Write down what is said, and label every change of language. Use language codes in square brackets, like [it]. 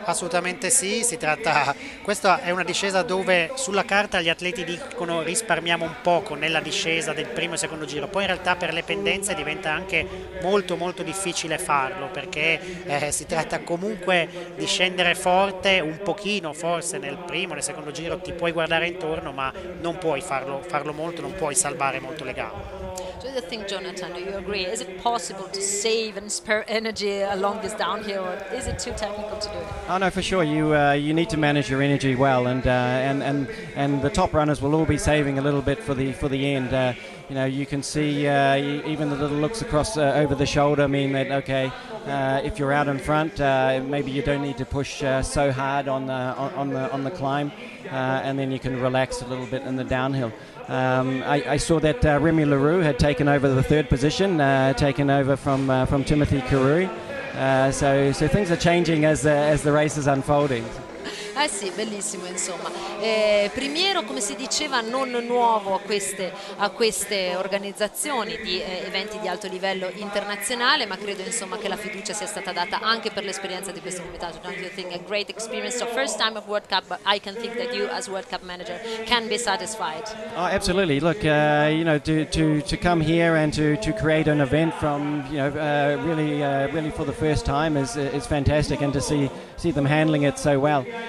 [it] Assolutamente sì, si tratta, questa è una discesa dove sulla carta gli atleti dicono risparmiamo un poco nella discesa del primo e secondo giro, poi in realtà per le pendenze diventa anche molto molto difficile farlo, perché si tratta comunque di scendere forte un pochino, forse nel primo e nel secondo giro ti puoi guardare intorno, ma non puoi farlo molto, non puoi salvare molto le gambe. [en] Do you think, Jonathan, do you agree? Is it possible to save and spare energy along this downhill, or is it too technical to do it? Oh no, for sure. You need to manage your energy well, and the top runners will all be saving a little bit for the end. You know, you can see even the little looks across over the shoulder mean that, okay, if you're out in front, maybe you don't need to push so hard on the climb, and then you can relax a little bit in the downhill. I saw that Remy LaRue had taken over the third position, taken over from Timothy Carew. So things are changing as the race is unfolding. [it] Eh sì, bellissimo insomma. Primiero, come si diceva, non nuovo a queste organizzazioni di eventi di alto livello internazionale, ma credo insomma che la fiducia sia stata data anche per l'esperienza di questo comitato. [en] Don't you think a great experience, so first time of World Cup, but I can think that you as World Cup manager can be satisfied. Oh, absolutely. Look, to come here and to create an event from, you know, really for the first time is fantastic, and to see them handling it so well.